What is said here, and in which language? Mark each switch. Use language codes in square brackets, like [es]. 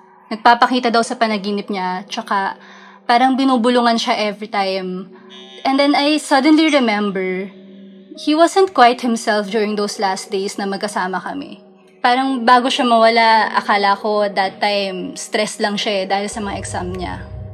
[tl] Nagpapakita daw sa panaginip niya, tsaka parang binubulungan siya [en] every time. And then I suddenly remember, he wasn't quite himself during those last days [tl] na magkasama kami. Parang bago siya mawala, akala ko [en] that time, [tl] stress lang siya eh dahil sa mga exam niya.